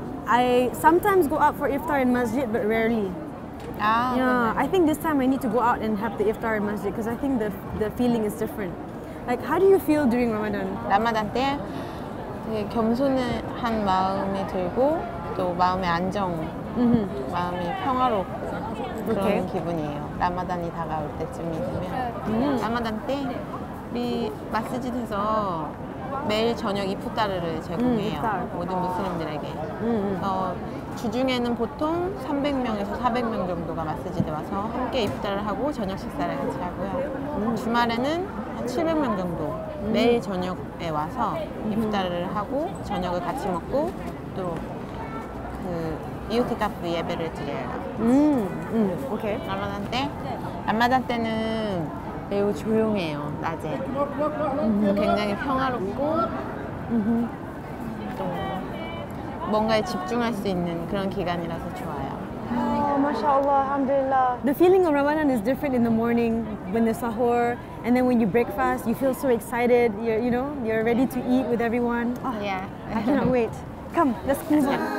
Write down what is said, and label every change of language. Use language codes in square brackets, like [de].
[en] I sometimes go out for iftar in masjid, but rarely. I think this time I need to go out and have the iftar in masjid because I think the feeling is different. Like, how do you feel during Ramadan? [ko] Ramadan 때 되게 겸손한 마음이 들고 또 마음의 안정, mm-hmm. 마음이 평화롭고 그런 okay. 기분이에요. 라마단이 다가올 때쯤이 되면 라마단 때 우리 마스지드에서 매일 저녁 이프타르를 제공해요. 모든 무슬림들에게. 주중에는 보통 300명에서 400명 정도가 마스지드 와서 함께 이프타르를 하고 저녁 식사를 같이 하고요. 주말에는 700명 정도 매일 저녁에 와서 이프타르를 하고 저녁을 같이 먹고 또 그 이웃 카페 예배를 드려요. 오케이. 라마단 때? 라마단 때는 매우 조용해요, 낮에. 굉장히 평화롭고 또 뭔가에 집중할 수 있는 그런 기간이라서 좋아요. [ar] MashaAllah, Alhamdulillah. [en] The feeling of Ramadan is different in the morning when the sahur, and then when you breakfast, you feel so excited. You're ready to eat with everyone. Oh, yeah. I cannot wait. Come, let's move on.